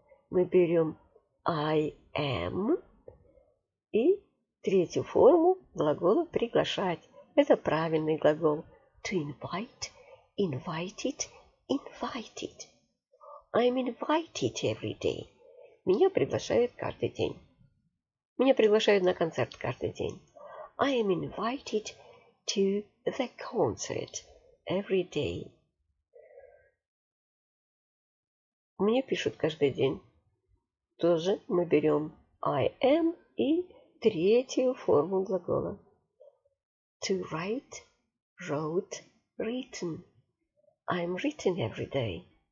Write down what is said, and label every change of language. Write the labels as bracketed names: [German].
[Russian] Мы берем I am и третью форму глагола приглашать. Это правильный глагол. [English] To invite, invited, invited. I'm invited every day. [Russian] Меня приглашают каждый день. Меня приглашают на концерт каждый день. [English] I am invited to the concert every day. [Russian] Мне пишут каждый день. Тоже мы берем I am и третью форму глагола. [English] To write, wrote, written. I'm written every day.